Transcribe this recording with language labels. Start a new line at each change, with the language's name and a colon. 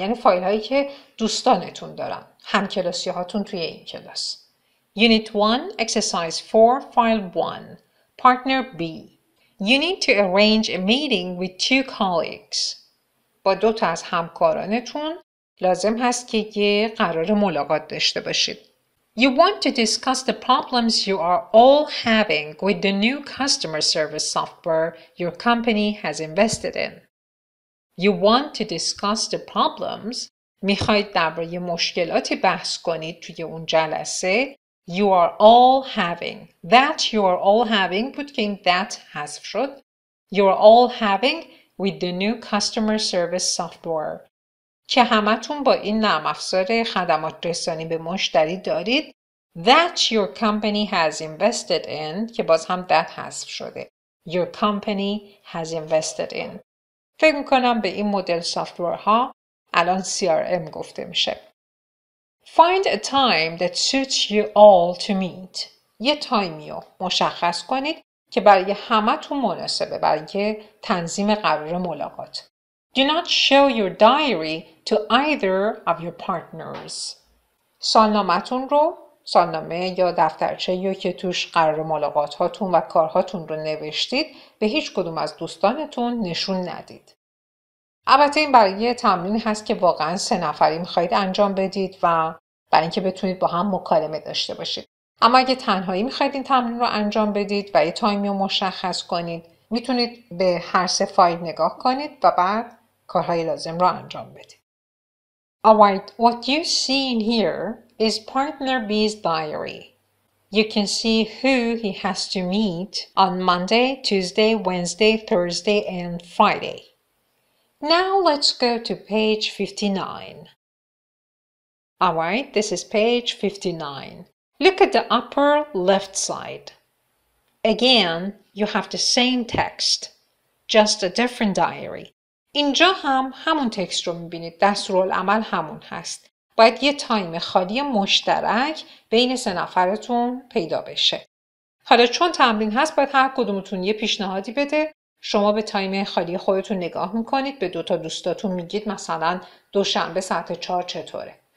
Persian: یعنی فایل هایی که دوستانتون دارن. همکلاسی هاتون توی این کلاس.
English: Unit 1, exercise 4, file 1. Partner B. You need to arrange a meeting with two colleagues.
Persian: با دو تا از همکارانتون لازم هست که یه قرار ملاقات داشته باشید.
English: You want to discuss the problems you are all having with the new customer service software your company has invested in. You want to discuss the problems.
Persian: میخواید درباره مشکلاتی بحث کنید توی اون جلسه.
English: You are all having. That you are all having.
Persian: بود که این that حذف شد.
English: You are all having with the new customer service software.
Persian: که همه تون با این نرم افزار خدمات رسانی به مشتری دارید.
English: That your company has invested in.
Persian: که باز هم that حذف شده.
English: Your company has invested in.
Persian: فکر میکنم به این مدل software ها الان CRM گفته میشه.
English: Find a time that suits you all to meet.
Persian: یه تایمی رو مشخص کنید که برای همه تو مناسبه، برای تنظیم قرار ملاقات.
English: Do not show your diary to either of your partners.
Persian: سالنامتون رو، سالنامه یا دفترچه یا که توش قرار ملاقات هاتون و کارهاتون رو نوشتید به هیچ کدوم از دوستانتون نشون ندید. البته این برای یه تمرین هست که واقعا سه نفری میخواید انجام بدید و برای اینکه بتونید با هم مکالمه داشته باشید. اما اگه تنهایی میخواید این تمرین رو انجام بدید و یه تایمی رو مشخص کنید، میتونید به هر سه فایل نگاه کنید و بعد کارهای لازم رو انجام بدید.
English: Alright, what you see in here is partner B's diary. You can see who he has to meet on Monday, Tuesday, Wednesday, Thursday and Friday. Now let's go to page 59. All right, this is page 59. Look at the upper left side. Again, you have the same text, just a different diary.
Persian: اینجا هم همون تکست رو میبینید. دستورالعمل همون هست. باید یه تایم خالی مشترک بین سه نفرتون پیدا بشه. حالا چون تمرین هست، باید هر کدومتون یه پیشنهادی بده. شما به تایم خالی خودتون نگاه میکنید، به دوتا دوستاتون میگید مثلا دوشنبه ساعت 4 چطوره.